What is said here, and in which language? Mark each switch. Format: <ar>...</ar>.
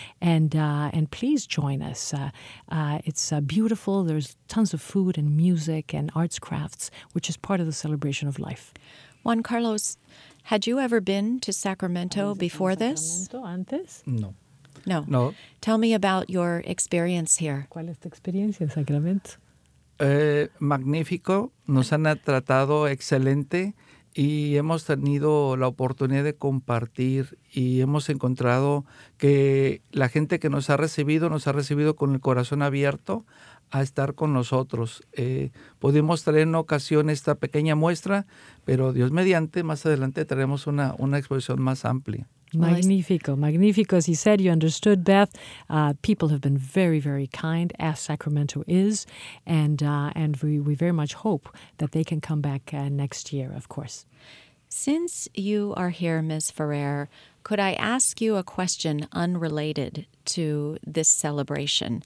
<en>And please join us. It's beautiful. There's tons of food and music and arts crafts, which is part of the celebration of life. Juan Carlos, had you ever been to Sacramento before this? No. No. No. Tell me about your experience here.</en> <es>¿Cuál es tu experiencia en Sacramento? Magnífico, nos han tratado excelente y hemos tenido la oportunidad de compartir y hemos encontrado que la gente que nos ha recibido con el corazón abierto a estar con nosotros. Pudimos traer en ocasión esta pequeña muestra, pero Dios mediante, más adelante traeremos una exposición más amplia. Magnífico, magnífico.</es> <en>As he said, you understood, Beth. People have been very, very kind, as Sacramento is, and we very much hope that they can come back next year, of course. Since you are here, Ms. Ferrer, could I ask you a question unrelated to this celebration?</en>